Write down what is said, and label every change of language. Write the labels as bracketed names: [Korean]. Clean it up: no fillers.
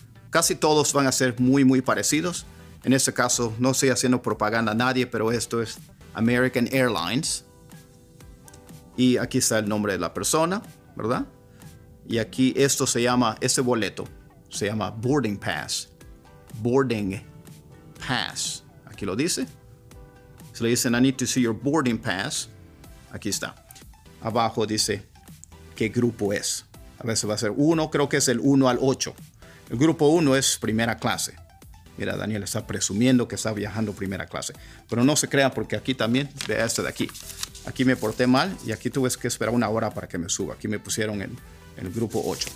[Spanish] Casi todos van a ser muy, muy parecidos. En este caso, no estoy haciendo propaganda a nadie, pero esto es American Airlines. Y aquí está el nombre de la persona, ¿verdad? Y aquí esto se llama, ese boleto, se llama Boarding Pass. Boarding Pass. Aquí lo dice. Se le dicen, [English] I need to see your boarding pass. [Spanish] Aquí está. Abajo dice qué grupo es. A veces va a ser uno, creo que es el 1 al 8. El grupo 1 es primera clase. Mira, Daniel está presumiendo que está viajando primera clase. Pero no se crean porque aquí también, vea este de aquí. Aquí me porté mal y aquí tuve que esperar una hora para que me suba. Aquí me pusieron en el grupo 8.